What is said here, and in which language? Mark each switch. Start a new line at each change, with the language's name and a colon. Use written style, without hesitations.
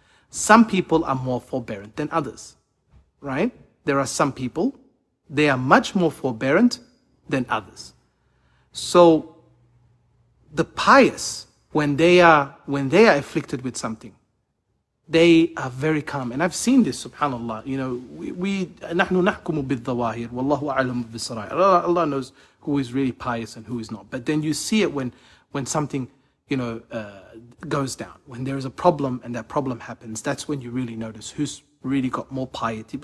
English: Some people are more forbearant than others, right? There are some people, they are much more forbearant than others. So, the pious, when they are afflicted with something, they are very calm. And I've seen this, subhanAllah. You know, we
Arabic: نَحْنُ نَحْكُمُ بِالظَّوَاهِرِ وَاللَّهُ أَعْلَمُ بِالسَّرَائِرِ.
English: Allah knows who is really pious and who is not. But then you see it when something, you know, goes down. When there is a problem and that problem happens, that's when you really notice who's really got more piety.